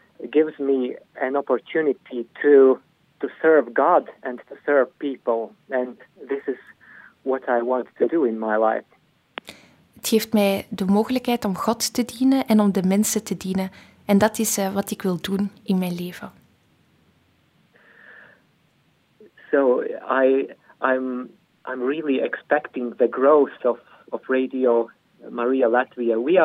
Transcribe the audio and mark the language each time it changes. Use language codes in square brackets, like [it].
[en] Gives me an opportunity to serve God and to serve people, and this is what I want to do in my life. [nl] Het geeft mij de mogelijkheid om God te dienen en om de mensen te dienen, en dat is wat ik wil doen in mijn leven. [en] So I'm really expecting the growth of Radio Maria Latvia.